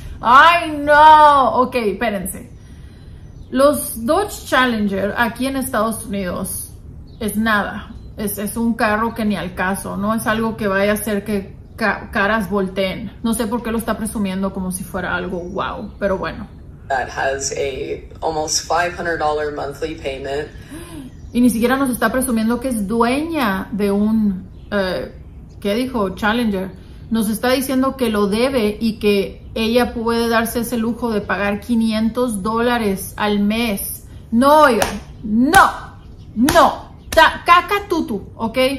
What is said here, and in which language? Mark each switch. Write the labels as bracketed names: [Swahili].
[Spanish] ¡Ay, no! Ok, espérense. Los Dodge Challenger aquí en Estados Unidos es nada. Es un carro que ni al caso, ¿no? Es algo que vaya a hacer que caras volteen. No sé por qué lo está presumiendo como si fuera algo wow, pero bueno. [English] That has a almost $500 monthly payment. [Spanish] Y ni siquiera nos está presumiendo que es dueña de un, ¿qué dijo? Challenger. Nos está diciendo que lo debe y que ella puede darse ese lujo de pagar $500 al mes. No, oigan, no, no, caca tutu, ¿ok?